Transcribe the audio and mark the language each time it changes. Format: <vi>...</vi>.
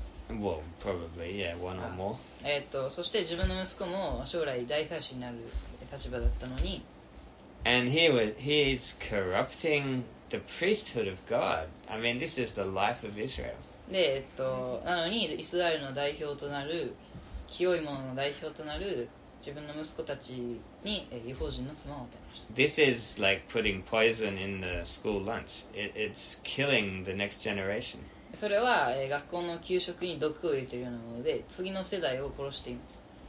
<en>Well, probably, yeah, one or more.</en> <ja>そして自分の息子も将来大祭司になる立場だったのに。</ja> <en>And he is corrupting the priesthood of God. I mean, this is the life of Israel.</en> <ja>で、なのにイスラエルの代表となる、清い者の代表となる自分の息子たちに異邦人の妻を与えました。</ja> <en>This is like putting poison in the school lunch. It's killing the next generation.</en> <ja>それは学校の給食に毒を入れているようなもので、次の世代を殺しています。</ja>